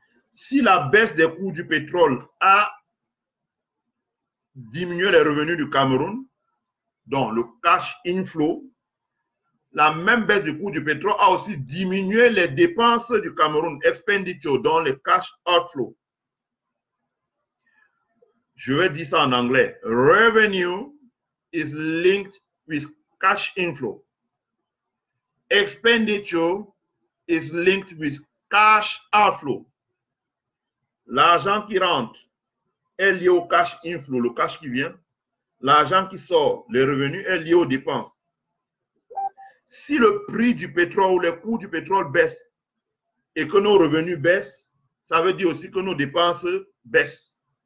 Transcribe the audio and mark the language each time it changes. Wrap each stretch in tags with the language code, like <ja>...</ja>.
<fr>Si la baisse des cours du pétrole a diminué les revenus du Cameroun, dont le cash inflow, la même baisse du cours du pétrole a aussi diminué les dépenses du Cameroun, expenditure, dont le cash outflow. Je vais dire ça en anglais.</fr> <en>Revenue is linked with cash inflow. Expenditure is linked with cash outflow.</en> <fr>L'argent qui rentre est lié au cash inflow, le cash qui vient. L'argent qui sort, les revenus, est lié aux dépenses. Si le prix du pétrole ou les coûts du pétrole baissent et que nos revenus baissent, ça veut dire aussi que nos dépenses baissent.</fr>